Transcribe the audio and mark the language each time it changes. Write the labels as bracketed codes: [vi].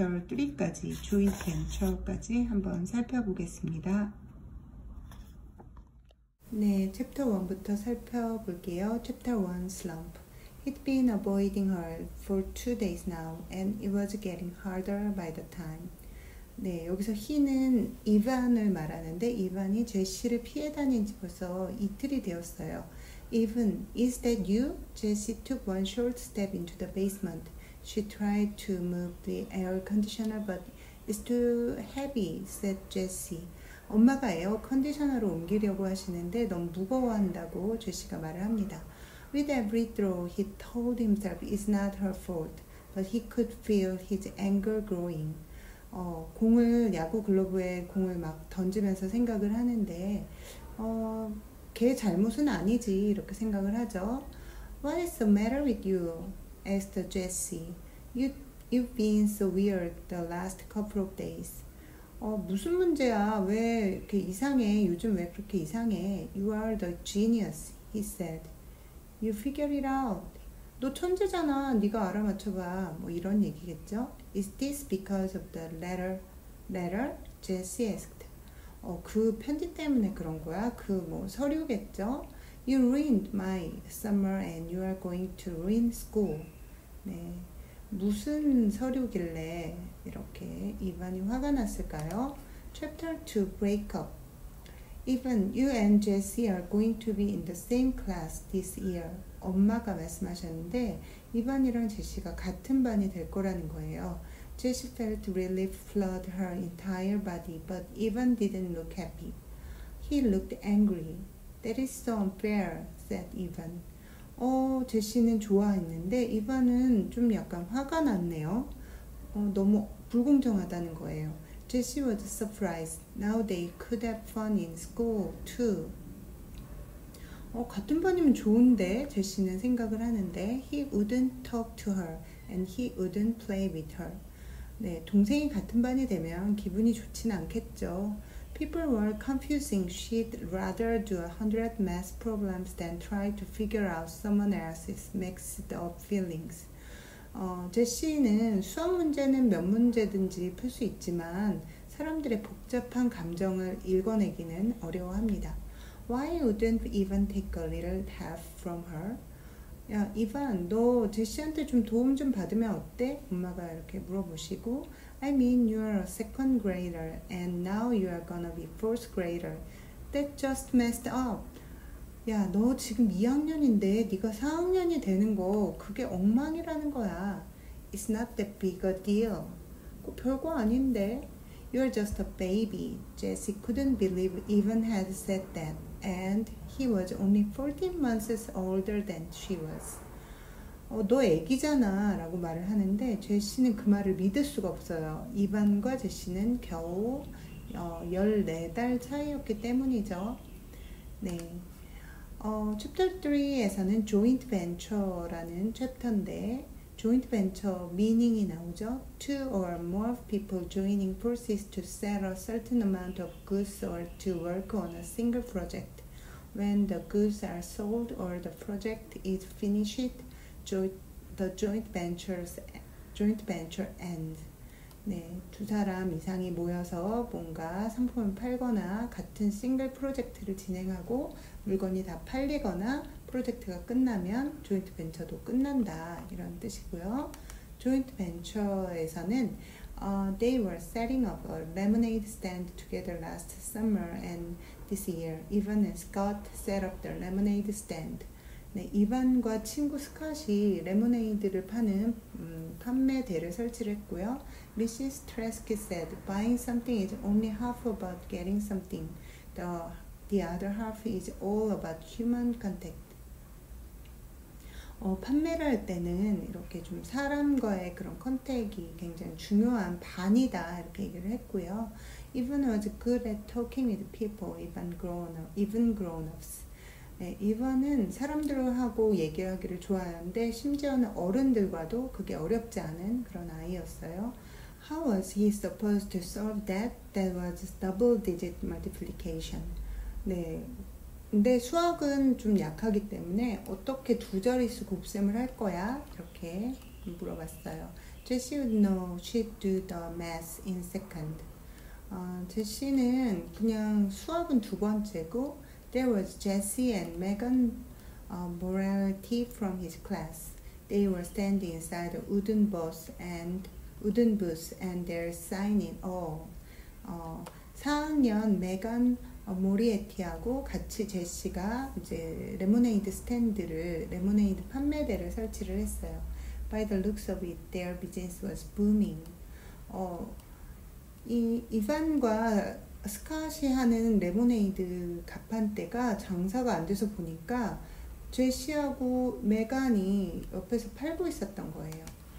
[ko] 여기까지 조인트 연출까지 한번 살펴보겠습니다. 네, 챕터 1부터 살펴볼게요. 챕터 1, slump. [en] He'd been avoiding her for 2 days now, and it was getting harder by the time. [ko] 네, 여기서 he는 Ivan을 말하는데 Ivan이 제시를 피해 다닌 지 벌써 이틀이 되었어요. [en] Even, is that you? Jessie took one short step into the basement. She tried to move the air conditioner, but it's too heavy, said Jessie. [ko] 엄마가 에어 컨디셔너로 옮기려고 하시는데 너무 무거워한다고 제시가 말을 합니다. [en] With every throw, he told himself it's not her fault, but he could feel his anger growing. [ko] 공을 야구 글러브에 공을 막 던지면서 생각을 하는데 걔 잘못은 아니지 이렇게 생각을 하죠. [en] What is the matter with you? asked Jessie. You've been so weird the last couple of days. [ko] 무슨 문제야? 왜 이렇게 이상해? 요즘 왜 그렇게 이상해? [en] You are the genius, he said. You figure it out. [ko] 너 천재잖아. 네가 알아맞혀봐. 뭐 이런 얘기겠죠? [en] Is this because of the letter? Letter? Jessie asked. [ko] 그 편지 때문에 그런 거야? 그 뭐 서류겠죠? [en] You ruined my summer and you are going to ruin school. [ko] 네. 무슨 서류길래 이렇게 이반이 화가 났을까요? [en] Chapter 2, Breakup. Even you and Jessie are going to be in the same class this year. [ko] 엄마가 말씀하셨는데 이반이랑 제시가 같은 반이 될 거라는 거예요. [en] Jessie felt relief flood her entire body, but Ivan didn't look happy. He looked angry. That is so unfair, said Ivan. [ko] 제시는 좋아했는데 이번은 좀 약간 화가 났네요. 너무 불공정하다는 거예요. [en] Jessie was surprised. Now they could have fun in school too. [ko] 같은 반이면 좋은데 제시는 생각을 하는데 [en] he wouldn't talk to her and he wouldn't play with her. [ko] 네, 동생이 같은 반이 되면 기분이 좋진 않겠죠. [en] People were confusing. She'd rather do 100 math problems than try to figure out someone else's mixed up feelings. [ko] 제시는 수학 문제는 몇 문제든지 풀 수 있지만 사람들의 복잡한 감정을 읽어내기는 어려워합니다. [en] Why wouldn't Ivan take a little help from her? [ko] 야, 이반, 너 제시한테 좀 도움 좀 받으면 어때? 엄마가 이렇게 물어보시고 [en] I mean, you're a second grader, and now you are gonna be fourth grader. That just messed up. [ko] 야, 너 지금 2학년인데 네가 4학년이 되는 거 그게 엉망이라는 거야. [en] It's not that big a deal. [ko] 그거 별거 아닌데. [en] You're just a baby. Jessie couldn't believe Ivan had said that. And he was only 14 months older than she was. [ko] 너 애기잖아 라고 말을 하는데 제시는 그 말을 믿을 수가 없어요. 이반과 제시는 겨우 14달 차이였기 때문이죠. 네, 챕터 3에서는 조인트 벤처라는 챕터인데 조인트 벤처 미닝이 나오죠. [en] Two or more people joining forces to sell a certain amount of goods or to work on a single project. When the goods are sold or the project is finished, the joint venture ends. [ko] 네, 두 사람 이상이 모여서 뭔가 상품을 팔거나 같은 싱글 프로젝트를 진행하고 물건이 다 팔리거나 프로젝트가 끝나면 조인트 벤처도 끝난다 이런 뜻이고요. 조인트 벤처에서는 [en] they were setting up a lemonade stand together last summer and this year Ivan and Scott set up the lemonade stand. [ko] 네, 이반과 친구 스캇이 레모네이드를 파는 판매대를 설치를 했고요. [en] Mrs. Trask said, buying something is only half about getting something. The other half is all about human contact. [ko] 판매를 할 때는 이렇게 좀 사람과의 그런 컨택이 굉장히 중요한 반이다 이렇게 얘기를 했고요. [en] Ivan was good at talking with people, even grown-ups. [ko] 네, 이번은 사람들하고 얘기하기를 좋아하는데 심지어는 어른들과도 그게 어렵지 않은 그런 아이였어요. [en] How was he supposed to solve that? That was double digit multiplication. [ko] 네, 근데 수학은 좀 약하기 때문에 어떻게 두 자릿수 곱셈을 할 거야? 이렇게 물어봤어요. [en] 제시 would know she'd do the math in second. [ko] 제시는 그냥 수학은 두 번째고, [en] there was Jesse and Megan, Moriarty from his class. They were standing inside a wooden booth and they're signing all. [ko] 4학년 Megan, Moriarty하고 같이 제시가 이제 레모네이드 판매대를 설치를 했어요. [en] By the looks of it, their business was booming. [ko] 이반과 스캇이 하는 레모네이드 가판대가 장사가 안 돼서 보니까 제시하고 메간이 옆에서 팔고 있었던 거예요.